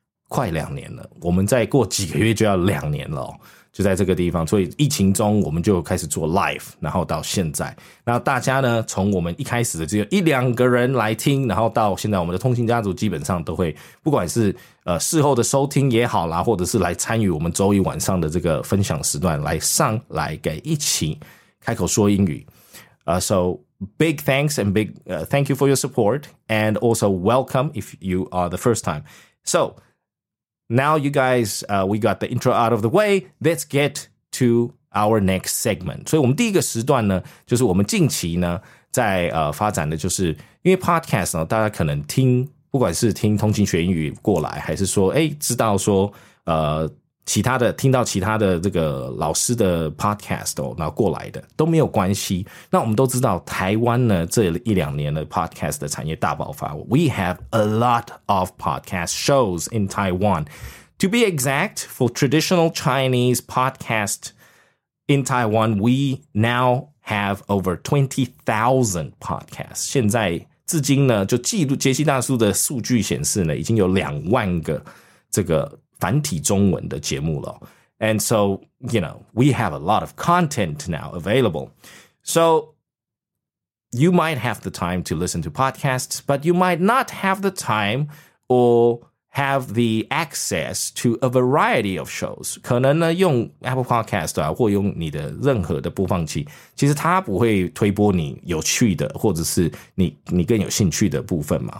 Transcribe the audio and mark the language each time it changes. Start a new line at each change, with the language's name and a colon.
Chinese: 快两年了，我们再过几个月就要两年了、哦、就在这个地方，所以疫情中我们就开始做 live， 然后到现在，那大家呢从我们一开始的只有一两个人来听，然后到现在我们的通勤家族基本上都会不管是事后的收听也好啦，或者是来参与我们周一晚上的这个分享时段来上来给一起开口说英语。
English: So big thanks and big thank you for your support, and also welcome if you are the first time. So now you guys, we got the intro out of the way. Let's get to our next segment.
Chinese: 所以我们第一个时段呢，就是我们近期呢在发展的，就是因为 podcast 呢，大家可能听。不管是听通勤学英语过来，还是说知道说其他的听到其他的这个老师的 podcast 哦，然后过来的都没有关系。那我们都知道台湾呢这一两年的 podcast 的产业大爆发，
English: We have a lot of podcast shows in Taiwan. To be exact, for traditional Chinese podcast in Taiwan, we now have over 20,000 podcasts.
Chinese: 现在至今呢就记录杰西大叔的数据显示呢已经有20,000个这个繁体中文的节目了。
English: And so, you know, we have a lot of content now available. So, you might have the time to listen to podcasts, but you might not have the time or have the access to a variety of shows.
Chinese: 可能呢用 Apple Podcast 啊或用你的任何的播放器，其实它不会推播你有趣的或者是你更有兴趣的部分嘛。